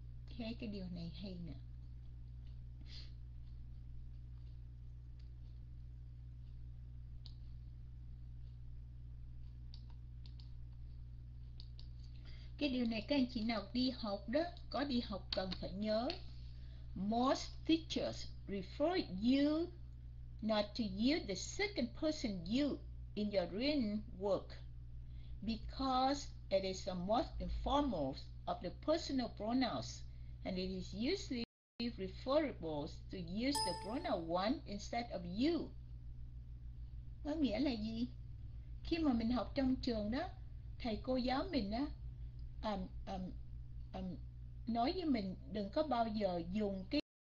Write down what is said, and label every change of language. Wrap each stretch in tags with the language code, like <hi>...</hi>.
<vi>Ok, cái điều này hay nè. Cái điều này các anh chị nào đi học đó, có đi học cần phải nhớ.</vi> <en>Most teachers refer you not to use the second person you in your written work. Because it is the most informal of the personal pronouns, and it is usually preferable to use the pronoun one instead of you.</en> <vi>Có nghĩa là gì? Khi mà mình học trong trường đó, thầy cô giáo mình đó, nói với mình đừng có bao giờ dùng cái</vi>